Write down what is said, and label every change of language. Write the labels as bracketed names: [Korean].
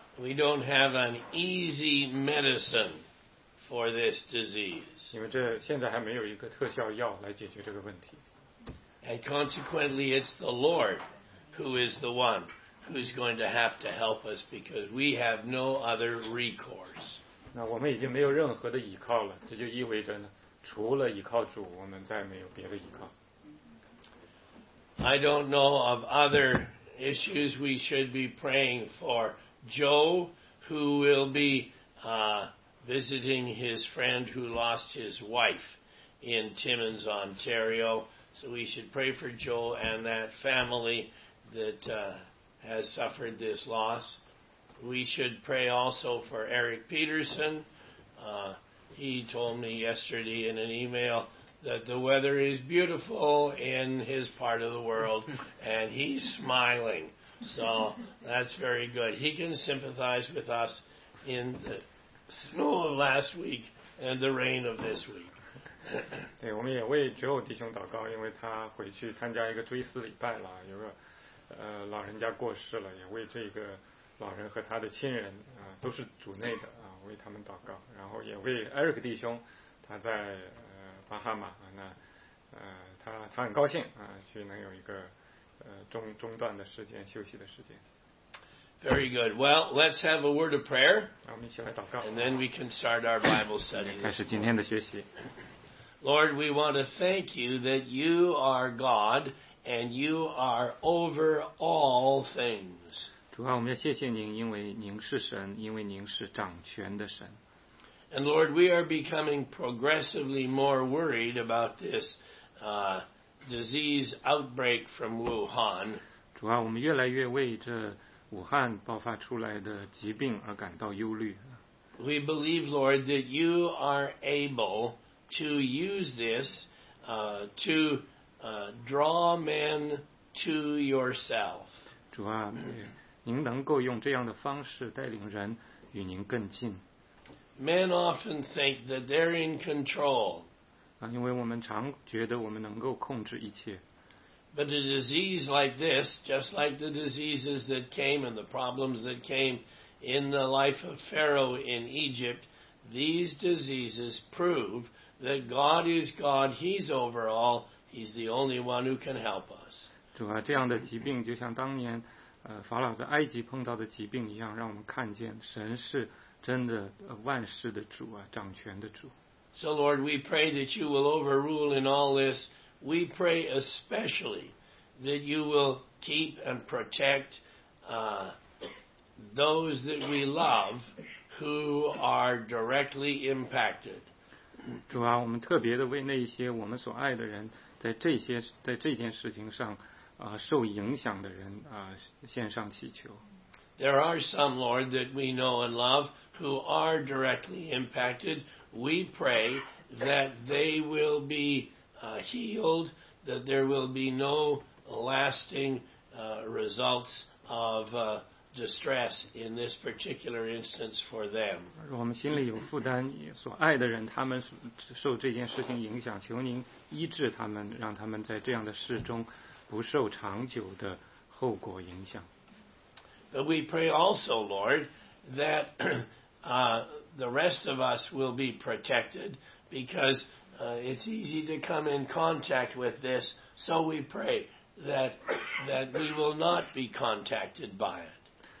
[English] We don't have an easy medicine for this disease. [Chinese] 因为这现在还没有一个特效药来解决这个问题。 [English] And consequently, it's the Lord. Who is the one who's going to have to help us because we have no other recourse? [Chinese] 那我们已经没有任何的依靠了，这就意味着呢，除了依靠主，我们再没有别的依靠。 [English] I don't know of other issues we should be praying for. Joe, who will be visiting his friend who lost his wife in Timmins, Ontario. So we should pray for Joe and that family. That has suffered this loss. We should pray also for Eric Peterson. He told me yesterday in an email that the weather is beautiful in his part of the world and he's smiling. So that's very good. He can sympathize with us in the snow of last week and the rain of this week. [Chinese] 对，我们也为 Joe 弟兄祷告，因为他回去参加一个追思礼拜了，有个。老人家过世了，也为这个老人和他的亲人啊、都是主内的啊、为他们祷告，然后也为 Eric 弟兄，他在巴哈马那，他很高兴啊、去能有一个中断的时间休息的时间。 [English] Very good. Well, let's have a word of prayer. [Chinese] 让我们一起来祷告。 [English] And then we can start our Bible study. [Chinese] 开始今天的学习。 [English] Lord, we want to thank you that you are God. And you are over all things. [Chinese] 主啊，我们要谢谢您，因为您是神，因为您是掌权的神。 [English] And Lord, we are becoming progressively more worried about this disease outbreak from Wuhan. [Chinese] 主啊，我们越来越为这武汉爆发出来的疾病而感到忧虑。 [English] We believe, Lord, that you are able to use this to... draw men to yourself. [Chinese] 主啊，您能够用这样的方式带领人与您更近。 [English] Men often think that they're in control. [Chinese] 因为我们常觉得我们能够控制一切。 [English] But a disease like this, just like the diseases that came and the problems that came in the life of Pharaoh in Egypt, these diseases prove that God is God, He's over all, He's the only one who can help us. [Chinese] 主啊，这样的疾病就像当年法老在埃及碰到的疾病一样，让我们看见神是真的万事的主啊，掌权的主。 [English] So Lord, we pray that you will overrule in all this. We pray especially that you will keep and protect those that we love who are directly impacted. [Chinese] 主啊，我们特别的为那些我们所爱的人，在这些在这件事情上受影响的人献上祈求。 [English] There are some, Lord, that we know and love who are directly impacted. We pray that they will be healed, that there will be no lasting results of distress in this particular instance for them. [Chinese] 我们心里有负担，所爱的人他们受这件事情影响，求您医治他们，让他们在这样的事中不受长久的后果影响。 [English] But we pray also, Lord, that the rest of us will be protected because it's easy to come in contact with this. So we pray that we will not be contacted by it.